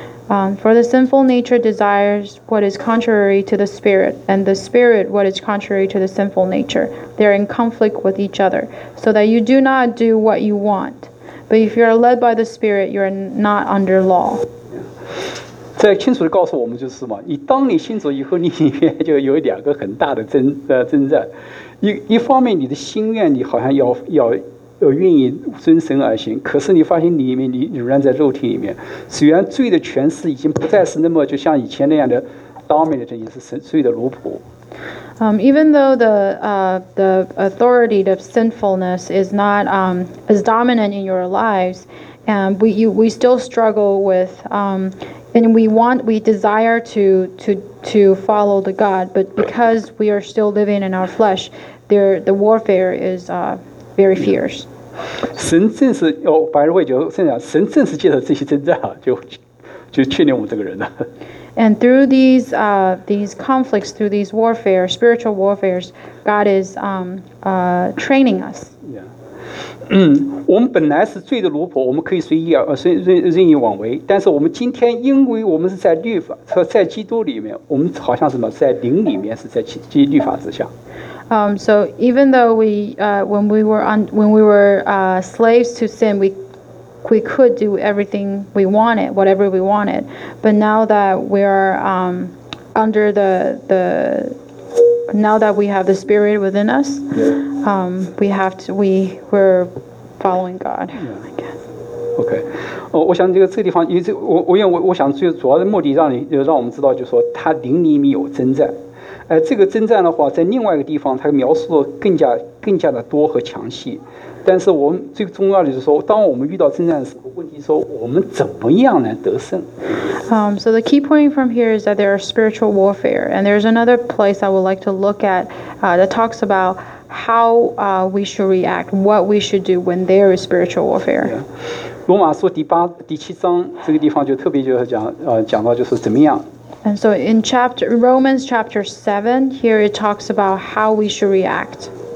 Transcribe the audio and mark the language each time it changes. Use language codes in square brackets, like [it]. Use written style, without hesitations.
[en] For the sinful nature desires what is contrary to the Spirit, and the Spirit what is contrary to the sinful nature. They are in conflict with each other, so that you do not do what you want. But if you are led by the Spirit, you are not under law. [zh] 在清楚地告诉我们就是嘛，你当你信主以后，你里面就有两个很大的征战。一方面，你的心愿你好像要愿意遵神而行，可是你发现里面你仍然在肉体里面，虽然罪的权势已经不再是那么就像以前那样的 dominant， 也是罪的奴仆。 [en] Even though the authority of sinfulness is not as dominant in your lives, we still struggle with and we desire to follow the God, but because we are still living in our flesh, the warfare is very fierce. [zh] 神正是白日会就这样，神正是借着这些征战啊，就训练我们这个人呢。 [en] And through these conflicts, through these warfare, spiritual warfares, God is training us. Yeah. [zh] 我们本来是罪的奴仆，我们可以随意任意妄为。但是我们今天，因为我们是在律法，在基督里面，我们好像什么，在灵里面是在基律法之下。 [en] So even though when we were slaves to sin, we could do everything we wanted, whatever we wanted, but now that we are under the now that we have the Spirit within us, we're following God. Okay. [zh] 我想这个地方，因为我想主要的目的让我们知道，就是说他灵里面有征战，这个征战的话，在另外一个地方，它描述的更加的多和详细。但是我们最重要的就是说，当我们遇到征战的时候，问题说我们怎么样来得胜。 [en] So the key point from here is that there are spiritual warfare, and there's another place I would like to look at, that talks about how, we should react, what we should do when there is spiritual warfare. Yeah. [zh] 罗马书第七章这个地方就特别就是讲到就是怎么样。 [en] And so in Romans chapter 7, here it talks about how we should react.